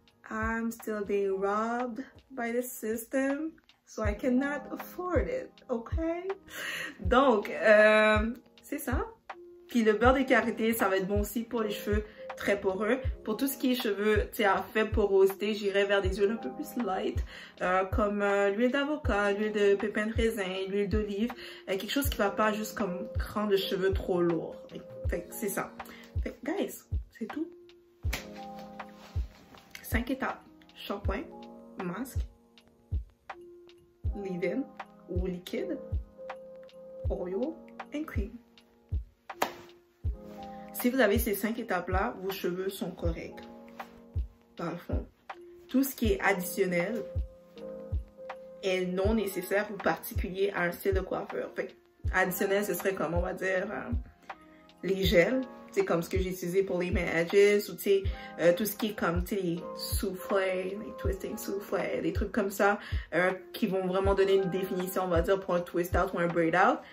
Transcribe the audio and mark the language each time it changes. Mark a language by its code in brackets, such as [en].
[en] I'm still being robbed by the system, so I cannot afford it, okay? [fr] Donc, c'est ça. Puis le beurre de karité, ça va être bon aussi pour les cheveux très poreux. Pour tout ce qui est cheveux, tu sais, à faible porosité, j'irai vers des huiles un peu plus light, comme l'huile d'avocat, l'huile de pépins de raisin, l'huile d'olive, quelque chose qui va pas juste comme rendre les cheveux trop lourds. Fait que c'est ça. Fait que, guys, c'est tout. 5 étapes. Shampoing, masque, leave-in ou liquide, [en] oil and cream. [fr] Si vous avez ces 5 étapes-là, vos cheveux sont corrects, dans le fond. Tout ce qui est additionnel est non nécessaire ou particulier à un style de coiffure. Fait, additionnel, ce serait comme, on va dire, les gels, c'est comme ce que j'ai utilisé pour les edges ou tout ce qui est comme les soufflés, les twisting soufflés, des trucs comme ça qui vont vraiment donner une définition, on va dire, pour un twist out ou un braid out.